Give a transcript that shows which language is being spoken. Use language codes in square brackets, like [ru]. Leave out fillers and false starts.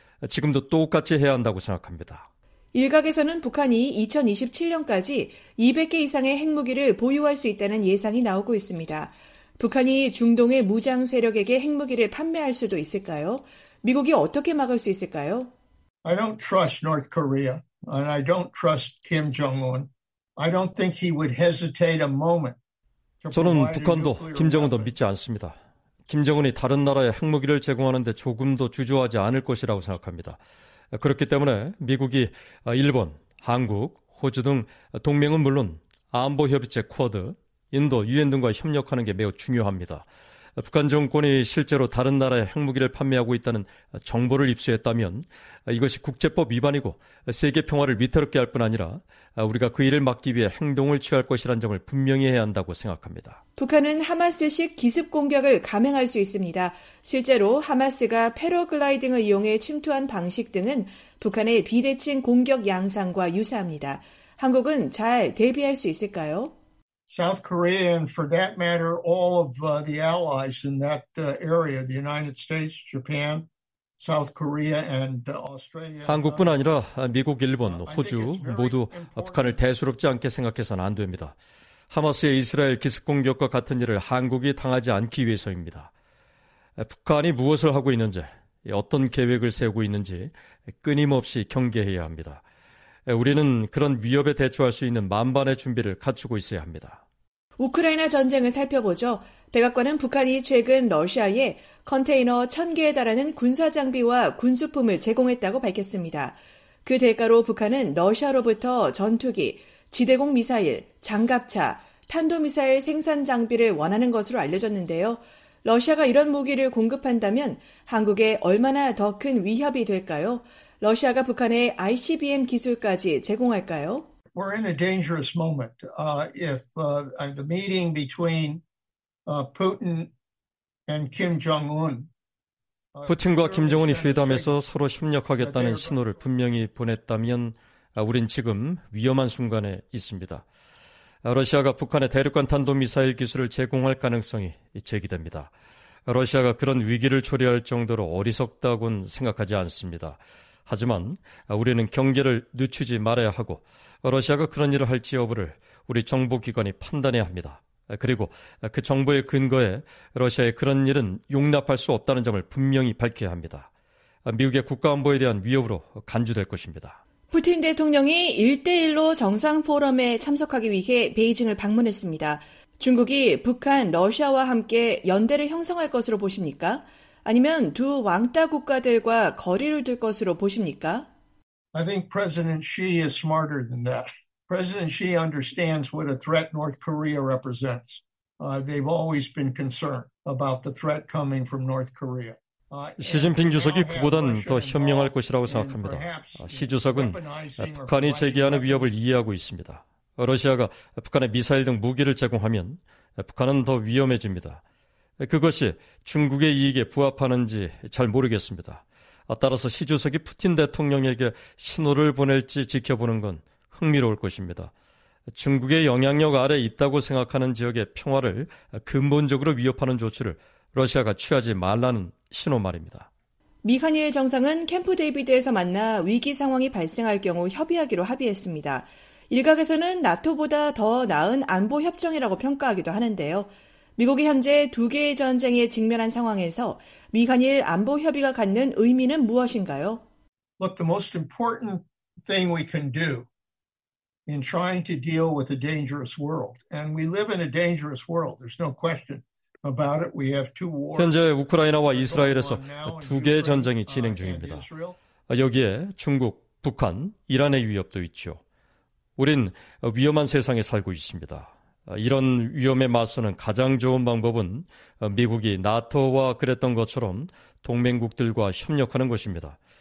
[ko] 지금도 똑같이 해야 한다고 생각합니다. 일각에서는 북한이 2027년까지 200개 이상의 핵무기를 보유할 수 있다는 예상이 나오고 있습니다. 북한이 중동의 무장 세력에게 핵무기를 판매할 수도 있을까요? 미국이 어떻게 막을 수 있을까요? [en] I don't trust North Korea and I don't trust Kim Jong-un. I don't think he would hesitate a moment. [ko] 저는 북한도 김정은도 믿지 않습니다. 김정은이 다른 나라에 핵무기를 제공하는데 조금도 주저하지 않을 것이라고 생각합니다. 그렇기 때문에 미국이 일본, 한국, 호주 등 동맹은 물론 안보협의체 쿼드, 인도, 유엔 등과 협력하는 게 매우 중요합니다. 북한 정권이 실제로 다른 나라에 핵무기를 판매하고 있다는 정보를 입수했다면 이것이 국제법 위반이고 세계 평화를 위태롭게 할 뿐 아니라 우리가 그 일을 막기 위해 행동을 취할 것이라는 점을 분명히 해야 한다고 생각합니다. 북한은 하마스식 기습 공격을 감행할 수 있습니다. 실제로 하마스가 패러글라이딩을 이용해 침투한 방식 등은 북한의 비대칭 공격 양상과 유사합니다. 한국은 잘 대비할 수 있을까요? [en] South Korea and for that matter all of the allies in that area the United States, Japan, South Korea and Australia [ko] 한국뿐 아니라 미국, 일본, 호주 모두 북한을 대수롭지 않게 생각해서는 안 됩니다. 하마스의 이스라엘 기습 공격과 같은 일을 한국이 당하지 않기 위해서입니다. 북한이 무엇을 하고 있는지, 어떤 계획을 세우고 있는지 끊임없이 경계해야 합니다. 우리는 그런 위협에 대처할 수 있는 만반의 준비를 갖추고 있어야 합니다. 우크라이나 전쟁을 살펴보죠. 백악관은 북한이 최근 러시아에 컨테이너 1,000개에 달하는 군사장비와 군수품을 제공했다고 밝혔습니다. 그 대가로 북한은 러시아로부터 전투기, 지대공 미사일, 장갑차, 탄도미사일 생산 장비를 원하는 것으로 알려졌는데요. 러시아가 이런 무기를 공급한다면 한국에 얼마나 더 큰 위협이 될까요? 러시아가 북한에 ICBM 기술까지 제공할까요? [en] We're in a dangerous moment. If the meeting between Putin and Kim Jong-un [ko] 푸틴과 김정은이 회담해서 서로 협력하겠다는 신호를 분명히 보냈다면 우린 지금 위험한 순간에 있습니다. 러시아가 북한에 대륙간 탄도미사일 기술을 제공할 가능성이 제기됩니다. 러시아가 그런 위기를 초래할 정도로 어리석다고는 생각하지 않습니다. 하지만 우리는 경계를 늦추지 말아야 하고 러시아가 그런 일을 할지 여부를 우리 정보기관이 판단해야 합니다. 그리고 그 정보의 근거에 러시아의 그런 일은 용납할 수 없다는 점을 분명히 밝혀야 합니다. 미국의 국가안보에 대한 위협으로 간주될 것입니다. 푸틴 대통령이 1대1로 정상포럼에 참석하기 위해 베이징을 방문했습니다. 중국이 북한, 러시아와 함께 연대를 형성할 것으로 보십니까? 아니면 두 왕따 국가들과 거리를 둘 것으로 보십니까? [en] I think President Xi is smarter than that. President Xi understands what a threat North Korea represents. They've always been concerned about the threat coming from North Korea. [ko] 시진핑 주석이 그보다는 더 현명할 것이라고 생각합니다. 시 주석은 북한이 제기하는 위협을 이해하고 있습니다. 러시아가 북한에 미사일 등 무기를 제공하면 북한은 더 위험해집니다. 그것이 중국의 이익에 부합하는지 잘 모르겠습니다. 따라서 시 주석이 푸틴 대통령에게 신호를 보낼지 지켜보는 건 흥미로울 것입니다. 중국의 영향력 아래 있다고 생각하는 지역의 평화를 근본적으로 위협하는 조치를 러시아가 취하지 말라는 신호 말입니다. 미카니엘 정상은 캠프 데이비드에서 만나 위기 상황이 발생할 경우 협의하기로 합의했습니다. 일각에서는 나토보다 더 나은 안보 협정이라고 평가하기도 하는데요. 미국이 현재 두 개의 전쟁에 직면한 상황에서 미카니엘 안보 협의가 갖는 의미는 무엇인가요? [en] Look, the most important thing we can do in trying to deal with a dangerous world, and we live in a dangerous world, there's no question. [ko] 현재 우크라이나와 이스라엘에서 두 개의 전쟁이 진행 중입니다. 여기에 중국, 북한, 이란의 위협도 있죠. 우린 위험한 세상에 살고 있습니다. 이런 위험에 맞서는 가장 좋은 방법은 미국이 나토와 그랬던 것처럼 동맹국들과 협력하는 것입니다.